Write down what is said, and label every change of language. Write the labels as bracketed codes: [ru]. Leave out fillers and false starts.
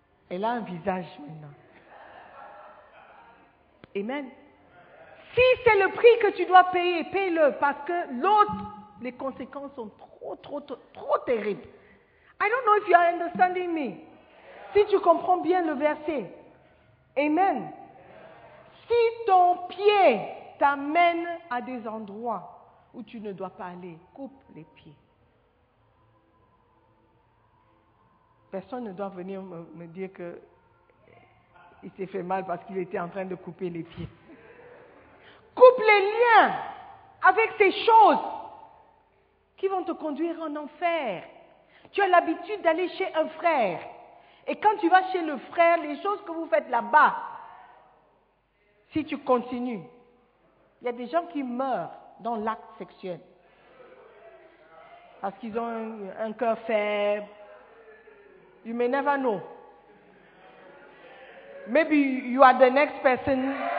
[fr] Elle a un visage maintenant. Amen. Si c'est le prix que tu dois payer, paye-le, parce que l'autre, les conséquences sont trop terribles. [en] I don't know if you are understanding me. [fr] Si tu comprends bien le verset. Amen. Si ton pied t'amène à des endroits où tu ne dois pas aller, coupe les pieds. Personne ne doit venir me dire que il s'est fait mal parce qu'il était en train de couper les pieds. Coupe les liens avec ces choses qui vont te conduire en enfer. Tu as l'habitude d'aller chez un frère. Et quand tu vas chez le frère, les choses que vous faites là-bas, si tu continues, il y a des gens qui meurent dans l'acte sexuel. Parce qu'ils ont un cœur faible. [en] You may never know. Maybe you are the next person.